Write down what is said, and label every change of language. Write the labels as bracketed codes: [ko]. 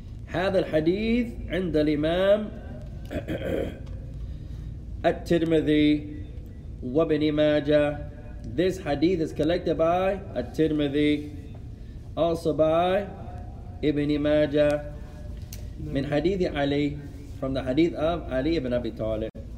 [ar] هذا الحديث عند الإمام الترمذي وابن ماجة. [en] This hadith is collected by الترمذي, also by ابن ماجة. [ar] من حديث [en] علي, from the hadith of علي بن أبي طالب.